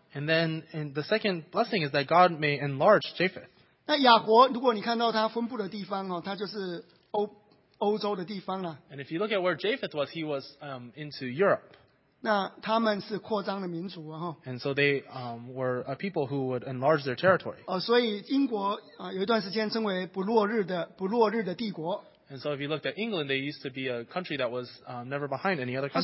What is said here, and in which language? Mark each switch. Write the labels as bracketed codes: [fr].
[en] And then, and the second blessing is that God may enlarge Japheth. [zh] 那亚伯，如果你看到他分布的地方哦，他就是欧洲的地方了。 [en] And if you look at where Japheth was, he was into Europe. [zh] 那他们是扩张的民族啊、哦。 [en] And so they were a people who would enlarge their territory. [zh] 所以英国有一段时间称为不落日的帝国。 [en] And so if you looked at England, they used to be a country that was never behind any other country.